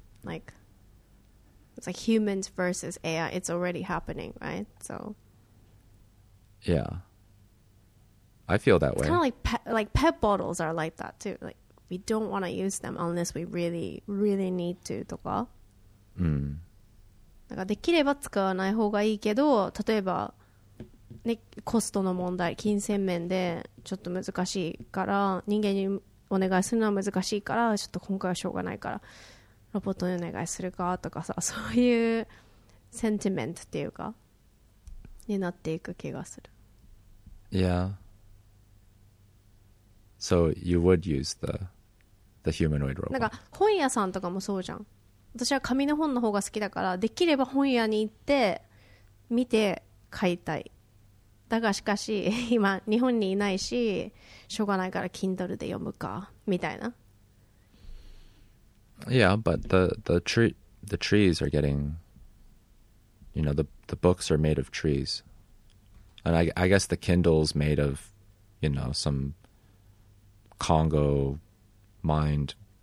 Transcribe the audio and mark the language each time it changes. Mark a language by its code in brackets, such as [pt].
[en] Like, it's like humans versus AI. It's already happening, right? So. Yeah. I feel that it's way. It's kind of like pet bottles are like that too. Like, we don't want to use them unless we really, really need to, [ja] とか。なんかできれば使わない方がいいけど、例えば、ね、コストの問題、金銭面でちょっと難しいから、人間にお願いするのは難しいから、ちょっと今回はしょうがないから、ロボットにお願いするかとかさ、そういうセンチメントっていうか、になっていく気がする。 [en] Yeah. So you would use the humanoid robot. [ja] なんか本屋さんとかもそうじゃん。私は紙の本の方が好きだから、できれば本屋に行って見て買いたい。だがしかし今日本にいないし、しょうがないから Kindle で読むかみたいな。 [en] Yeah, but the trees are getting, you know, the books are made of trees, and I guess the Kindle's made of, you know, some Congo mind.